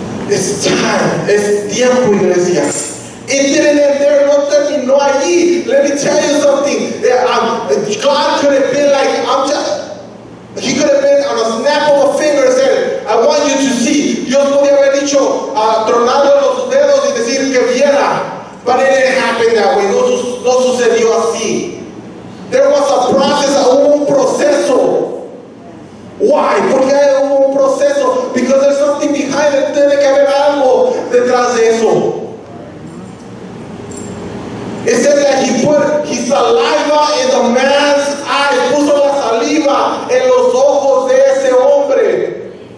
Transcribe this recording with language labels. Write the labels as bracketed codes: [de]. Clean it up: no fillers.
[en] It's time, [es] es tiempo, iglesia. [en] It didn't end there, [es] no terminó allí. [en] Let me tell you something. God could have been like, he could have been on a snap of a finger and said, I want you to see. [es] Dios podía haber dicho, tronando los dedos y decir que viera. [en] But it didn't happen that way. [es] No sucedió así. [en] There was a process, [es] hubo un proceso. [en] Why? [es] Porque hubo un proceso. [en] Because there's something behind it. [es] Tiene que haber algo detrás de eso. [en] It says that he put his saliva in the man's eye. [es] Puso la saliva en los ojos de ese hombre.